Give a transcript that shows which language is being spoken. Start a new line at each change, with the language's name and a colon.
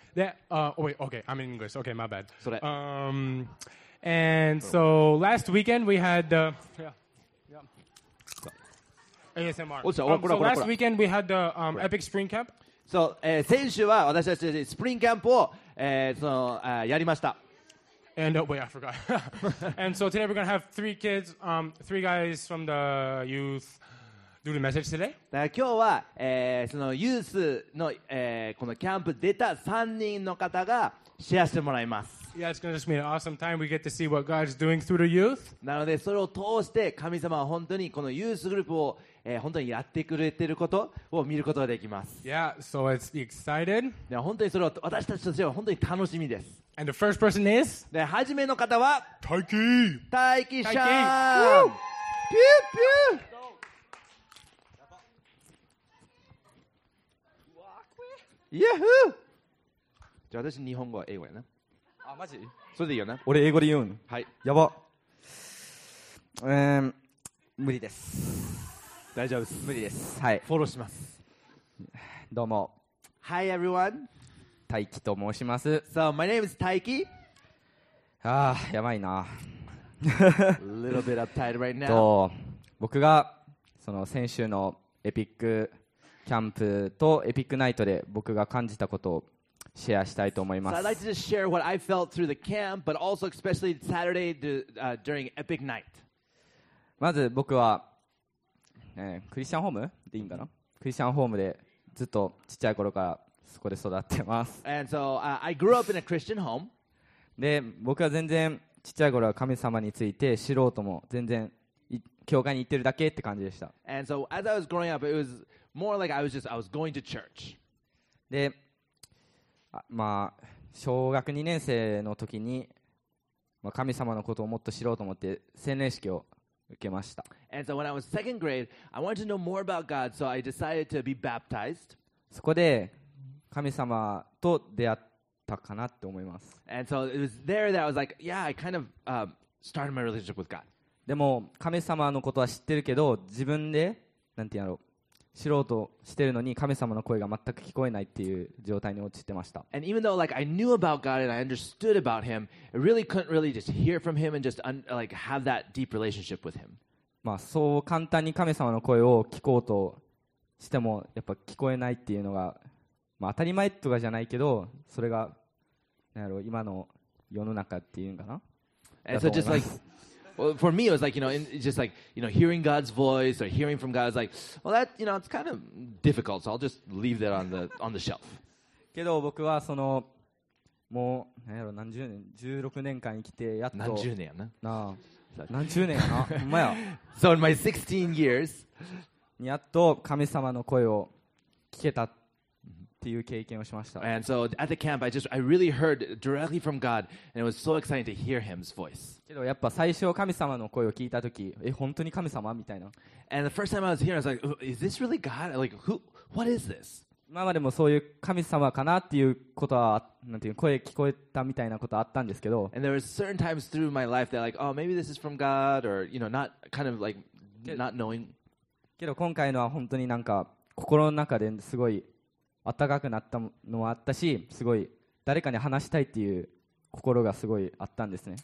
Korean: 네,
English: oh wait, okay, I'm in English. Okay, my bad. 그래. And so last weekend we had the ASMR. So last weekend we had the Epic Spring Camp.
Japanese: So 先週は 私たち Spring Camp を やりました.
English: And wait, I forgot. And so today we're gonna have three kids, three guys from the youth do the message today.
Japanese: 今日は その youth の このキャンプ出た 3人 の方がシェアしてもらいます。
English: Yeah, it's gonna just be an awesome time. We get to see what God's doing through the youth.
Japanese: なのでそれを通して神様は本当にこのユースグループを本当にやってくれていることを見ることができます。
English: Yeah, so it's excited.
Japanese: で本当にそれを私たちとしては本当に楽しみです。
English: And the first person is?
Japanese: で初めの方は大輝。大輝さん。Woo! ピューピュー。 Yahoo! じゃあ私日本語は英語やな。あ、マジ？それでいいよな。俺英語で言うん。はい。やば。無理です。大丈夫です。無理です。はい。フォローします。どうも。
English: Hi everyone.
Japanese: 大輝と申します。
English: So my name is 大輝。
Japanese: ああ、やばいな。
English: Little bit uptight right now.
Japanese: と、僕がその先週のエピックキャンプとエピックナイトで僕が感じたことをシェアしたいと思います。
English: So I'd like to just share what I felt through the camp, but also especially Saturday during Epic Night.
Japanese: まず僕は、クリスチャンホームでいいんかな？クリスチャンホームでずっとちっちゃい頃からそこで育ってます。
English: And so, I grew up in a Christian home.
Japanese: で、僕は全然ちっちゃい頃は神様について知ろうとも全然教会に行ってるだけって感じでした。
English: And so, as I was growing up, it was more like I was going to church.
Japanese: で、まあ小学2年生の時に、まあ、神様のことをもっと知ろうと思って洗礼式を受けました。
English: And so when I was second grade, I wanted to know more about God, so I decided to be baptized.
Japanese: そこで神様と出会ったかなって思います。
English: And so it was there that I was like, yeah, I kind of started my relationship with God.
Japanese: でも神様のことは知ってるけど自分でなんて言うんだろう。知ろうとしてるのに神様の声が全く聞こえないっていう状態に陥ってました。
English: And even though like I knew about God and I understood about him, I really couldn't really just hear from him and just like have that deep relationship with him.
Japanese: まあそう簡単に神様の声を聞こうとしてもやっぱ聞こえないっていうのが、まあ、当たり前とかじゃないけどそれが何やろう今の世の中っていうんかな。
English: And so just like Well, for me, it was like, you know, just like, you know, hearing God's voice or hearing from God is like, well, that, you know, it's kind of difficult. So I'll just leave that on the shelf.
Japanese: けど僕はそのもう何やろ何十年16年間生きてやっと何十年やな。なあ、何十年やな。まや。
English: So in my 16 years,
Japanese: やっと神様の声を聞けたっていう経験をしました。
English: And so at the camp, I really heard directly from God, and it was so exciting to hear Him's voice.
Japanese: やっぱ最初神様の声を聞いたとき、え、本当に神様みたいな。
English: And the first time I was here, I was like, is this really God? Like, who, what is this?
Japanese: 今までもそういう神様かなっていうことは、なんていう声聞こえたみたいなことあったんですけど。
English: And there were certain times through my life that like, oh, maybe this is from God, or, you know, not kind of like, not knowing.
Japanese: けど今回のは本当になんか心の中ですごい温かくなったのもあったし、すごい誰かに話したいっていう心がすごいあったんですね。